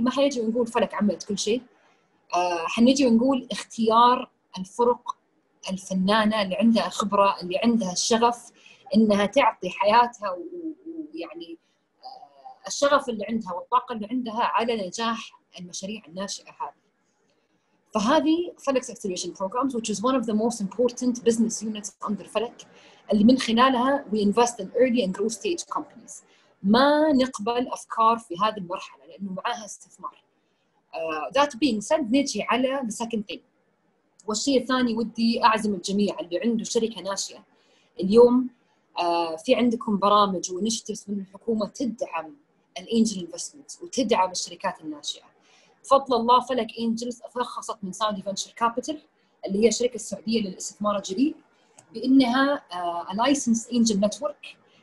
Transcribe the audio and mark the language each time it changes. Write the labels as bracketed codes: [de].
[ar] ما حيجي ونقول فلك عملت كل شيء، حنجي ونقول اختيار الفرق الفنانة اللي عندها خبرة، اللي عندها الشغف إنها تعطي حياتها ويعني الشغف اللي عندها والطاقة اللي عندها على نجاح المشاريع الناشئة هذه. فهذه [en] فلك acceleration programs which is one of the most important business units under فلك، [ar] اللي من خلالها [en] we invest in early and growth stage companies. [ar] ما نقبل أفكار في هذه المرحلة لأنه معها استثمار. [en] That being said، [ar] نجي على [en] the second thing. [ar] والشيء الثاني ودي أعزم الجميع اللي عنده شركة ناشئة اليوم، في عندكم برامج وinitiatives من الحكومة تدعم [en] الانجل انفستمنت [ar] وتدعم الشركات الناشئه. فضل الله فلك انجلز ترخصت من ساودي فنشر كابيتال اللي هي شركه سعوديه للاستثمار الجريء بانها [en] Licence angel network.